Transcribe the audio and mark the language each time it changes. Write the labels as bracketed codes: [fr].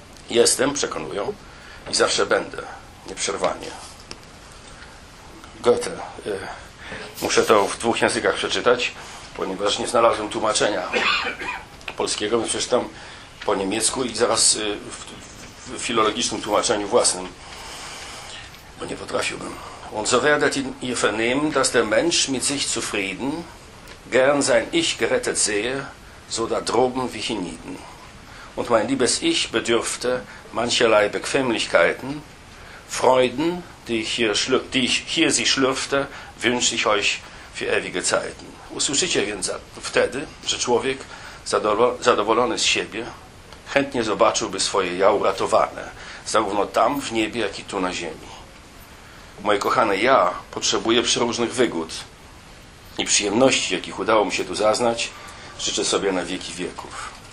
[pl] Jestem, przekonują, i zawsze będę, nieprzerwanie. Goethe. Muszę to w dwóch językach przeczytać, ponieważ nie znalazłem tłumaczenia polskiego, więc przeczytam po niemiecku i zaraz w filologicznym tłumaczeniu własnym, bo nie potrafiłbym. [de] Und so werdet ihr vernehmen, dass der Mensch mit sich zufrieden gern sein Ich gerettet sehe, so da droben wie hienieden. Und mein liebes Ich bedürfte mancherlei Bequemlichkeiten, Freuden, die ich hier sie schlürfte, wünsche ich euch für ewige Zeiten. [pl] Usłyszycie więc wtedy, że człowiek zadowolony z siebie chętnie zobaczyłby swoje ja uratowane, zarówno tam w niebie, jak i tu na ziemi. Moje kochane ja potrzebuje przeróżnych wygód i przyjemności, jakich udało mi się tu zaznać, życzę sobie na wieki wieków.